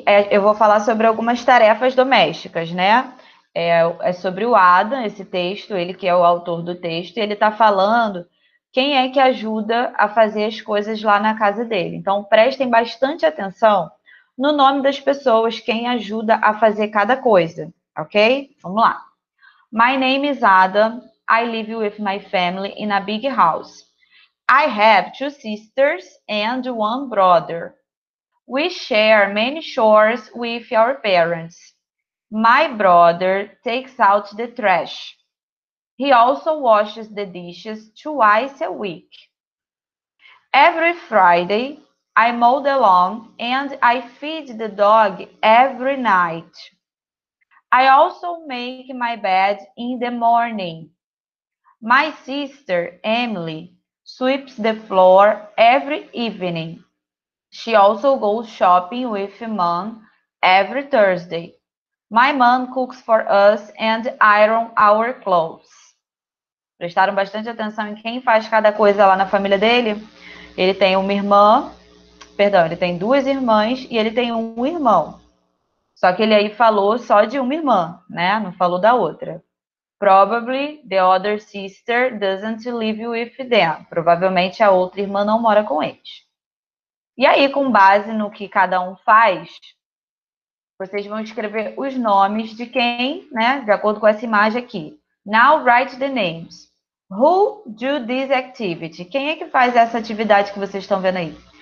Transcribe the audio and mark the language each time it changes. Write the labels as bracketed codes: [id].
[pt] Eu vou falar sobre algumas tarefas domésticas, né? É sobre o Adam, esse texto. Ele que é o autor do texto. E ele está falando quem é que ajuda a fazer as coisas lá na casa dele. Então, prestem bastante atenção no nome das pessoas, quem ajuda a fazer cada coisa. Ok? Vamos lá. [en] My name is Adam. I live with my family in a big house. I have two sisters and one brother. We share many chores with our parents. My brother takes out the trash. He also washes the dishes twice a week. Every Friday, I mow the lawn and I feed the dog every night. I also make my bed in the morning. My sister, Emily, sweeps the floor every evening. She also goes shopping with Mom every Thursday. My mom cooks for us and irons our clothes. [pt] Prestaram bastante atenção em quem faz cada coisa lá na família dele? Ele tem uma irmã, perdão, ele tem duas irmãs e ele tem um irmão. Só que ele aí falou só de uma irmã, né? Não falou da outra. [en] Probably the other sister doesn't live with them. [pt] Provavelmente a outra irmã não mora com eles. E aí, com base no que cada um faz, vocês vão escrever os nomes de quem, né? De acordo com essa imagem aqui. [en] Now write the names. Who do this activity? [pt] Quem é que faz essa atividade que vocês estão vendo aí?